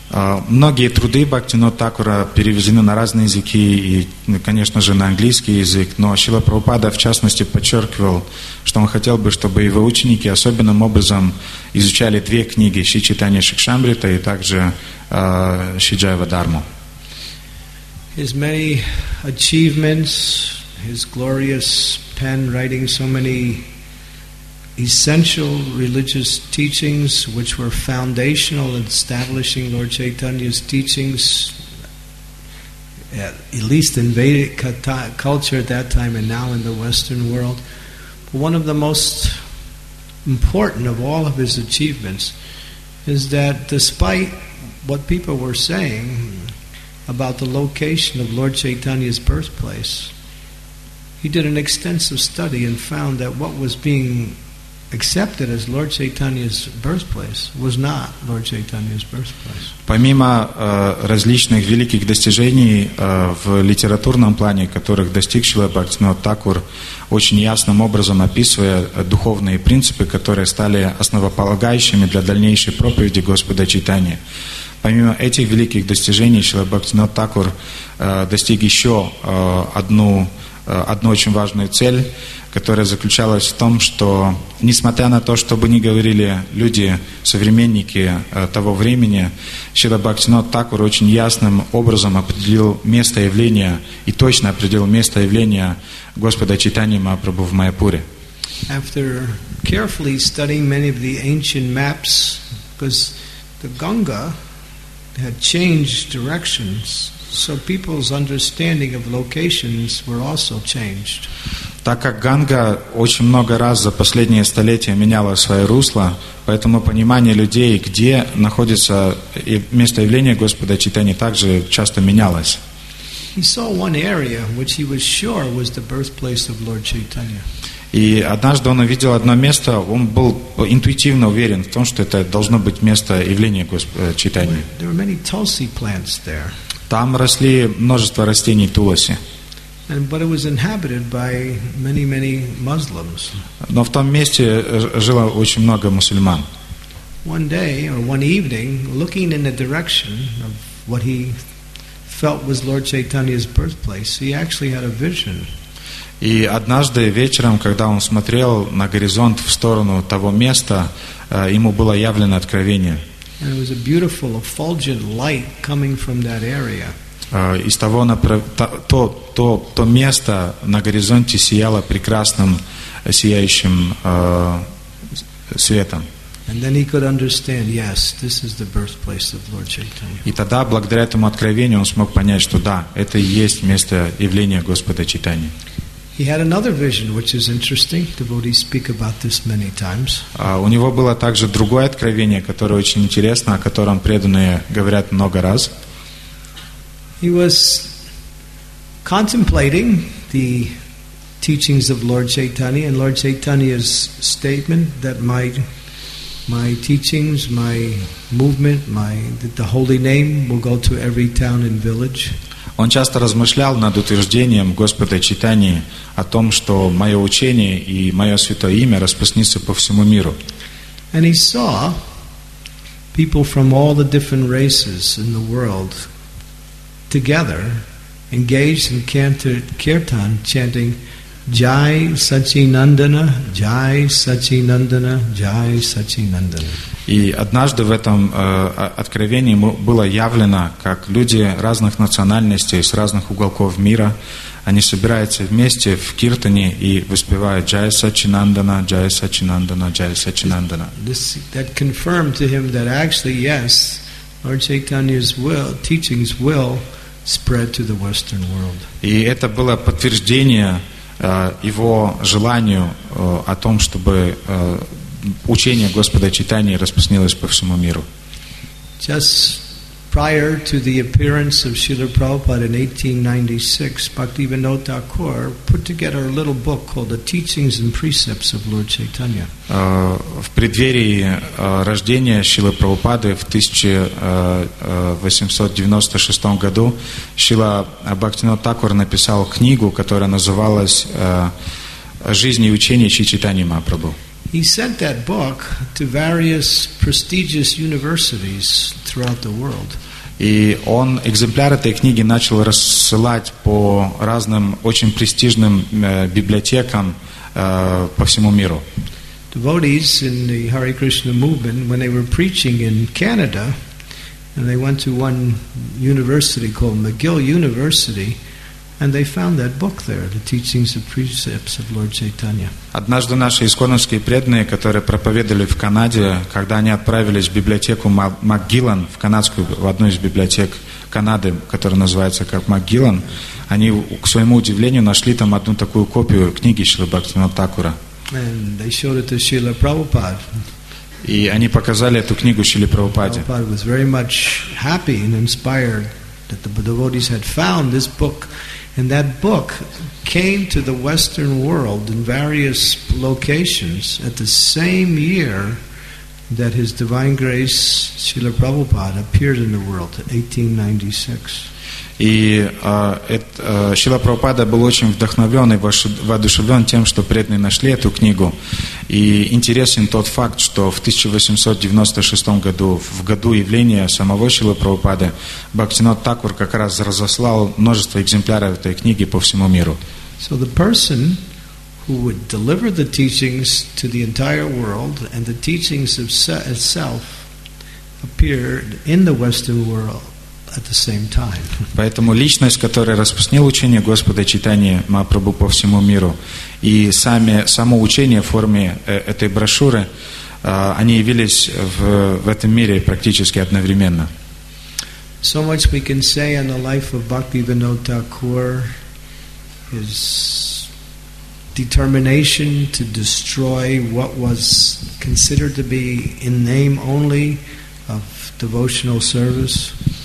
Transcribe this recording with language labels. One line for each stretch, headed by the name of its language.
Russian: Многие труды Бхактивинода Такура перевезены на разные языки, и, конечно же, на английский язык, но Шрила Прабхупада, в частности, подчеркивал, что он хотел бы, чтобы его ученики особенным образом изучали две книги, Шри Чайтанья Шикшамрита и также Шри Джайва Дарму.
English: His many achievements, his glorious pen writing so many essential religious teachings which were foundational in establishing Lord Chaitanya's teachings, at least in Vedic culture at that time and now in the Western world. But one of the most important of all of his achievements is that despite what people were saying about the location of Lord Chaitanya's birthplace, he did an extensive study and found that what was being accepted as Lord Chaitanya's birthplace was not Lord Chaitanya's birthplace.
Russian: Помимо различных великих достижений в литературном плане, которых достиг Шрила Бхактивинода Такур, очень ясным образом описывая духовные принципы, которые стали основополагающими для дальнейшей проповеди Господа Чайтаньи. Помимо этих великих достижений, Шрила Бхактивинода Такур достиг еще одну очень важную цель, которая заключалась в том, что, несмотря на то, что бы ни говорили люди, современники того времени, Шрила Бхактивинода Такур очень ясным образом определил место явления и точно определил место явления Господа Чайтаньи Махапрабху в Майяпуре.
English: After carefully studying many of the ancient maps, because the Ganga had changed directions, so people's understanding of locations were also changed.
Russian: Так как Ганга очень много раз за последние столетия меняла свое русло, поэтому понимание людей, где находится место явления Господа Чайтаньи, также часто менялось.
English: He saw one area which he was sure was the birthplace of Lord Chaitanya.
Russian: И однажды он увидел одно место, он был интуитивно уверен в том, что это должно быть место явления Чайтаньи.
English: There were many tulsi plants there.
Russian: Там росли множество растений туласи.
English: But it was inhabited by many, many Muslims.
Russian: Но в том месте жило очень много мусульман.
English: One day, or one evening, looking in the direction of what he felt was Lord Chaitanya's birthplace, he actually had a vision.
Russian: И однажды вечером, когда он смотрел на горизонт в сторону того места, ему было явлено откровение.
English: And it was a beautiful, effulgent light coming from that area.
Russian: Из того то место на горизонте сияло прекрасным сияющим светом.
English: And then he could understand, yes, this is the birthplace of Lord Chaitanya.
Russian: И тогда, благодаря этому откровению, он смог понять, что да, это и есть место явления Господа Чайтаньи.
English: He had another vision, which is interesting. Devotees speak about this many times.
Russian: У него было также другое откровение, которое очень интересно, о котором преданные говорят много раз.
English: He was contemplating the teachings of Lord Chaitanya and Lord Chaitanya's statement that my teachings, my movement, that the holy name will go to every town and village.
Russian: Он часто размышлял над утверждением Господа Чайтаньи о том, что мое учение и мое святое имя распространится по всему миру.
English: And he saw people from all the different races in the world together engaged in kirtan, chanting Jai Sachi Nandana, Jai Sachi Nandana, Jai Sachi Nandana.
Russian: И однажды в этом откровении было явлено, как люди разных национальностей с разных уголков мира, они собираются вместе в киртане и воспевают Джая Сачинандана, Джая Сачинандана, Джая Сачинандана.
English: That confirmed to him that actually, yes, Lord Chaitanya's teachings will spread to the Western world.
Russian: И это было подтверждение его желанию о том, чтобы учение Господа Чайтаньи распространилось по всему миру.
English: Just Prior to the appearance of Srila Prabhupada in 1896, Bhaktivinoda Thakur put together a little book called The Teachings and Precepts of Lord Chaitanya.
Russian: В преддверии рождения Шрилы Прабхупады в 1896 году Шрила Бхактивинода Такур написал книгу, которая называлась «Жизнь и учение Чайтаньи Махапрабху».
English: He sent that book to various prestigious universities throughout the world.
Russian: И он экземпляр этой книги начал рассылать по разным очень престижным библиотекам по всему миру.
English: Devotees in the Hare Krishna movement, when they were preaching in Canada, and they went to one university called McGill University, and they found that book there, The Teachings and Precepts of Lord Chaitanya.
Russian: Однажды наши исконовские преданные, которые проповедовали в Канаде, когда они отправились в библиотеку Макгиллан, в канадскую, в одну из библиотек Канады, которая называется как Макгиллан, они, к своему удивлению, нашли там одну такую копию книги Шрилы Бхактивинода Такура.
English: And they showed it to Srila Prabhupada.
Russian: И они показали эту книгу Шриле Прабхупаде.
English: Prabhupada was very much happy and inspired that the devotees had found this book. And that book came to the Western world in various locations at the same year that His Divine Grace Srila Prabhupada appeared in the world, 1896.
Russian: И Шрила Прабхупада был очень вдохновлен и воодушевлен тем, что преданные нашли эту книгу. И интересен тот факт, что в 1896 году, в году явления самого Шрилы Прабхупады, Бхактивинода Такур как раз разослал множество экземпляров этой книги по всему миру.
English: So the person who would deliver the teachings to the entire world and the teachings of itself appeared in the Western world at the same time.
Russian: Поэтому личность, которая распространила учение Господа Чайтаньи Махапрабху по всему миру, и само учение в форме этой брошюры, они явились в этом мире практически одновременно.
English: So much we can say on the life of Bhaktivinoda Thakur, his determination to destroy what was considered to be in name only of devotional service.